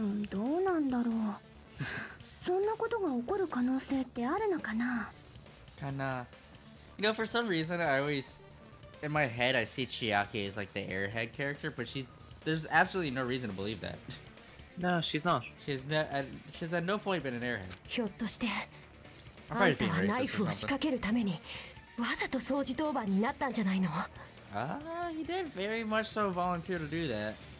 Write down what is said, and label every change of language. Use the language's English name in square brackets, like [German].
[Japanese] どうなんだろう。そんなことが起こる可能性ってあるのかな。かな。 [English] You know, for some reason, I always, in my head, I see Chiaki as like the airhead character, but she's, there's absolutely no reason to believe that. No, she's not. She's at no point been an airhead. [Japanese] ひょっとして、あんたはナイフを仕掛けるためにわざと掃除当番になったんじゃないの。 [English] He did very much so volunteer to do that.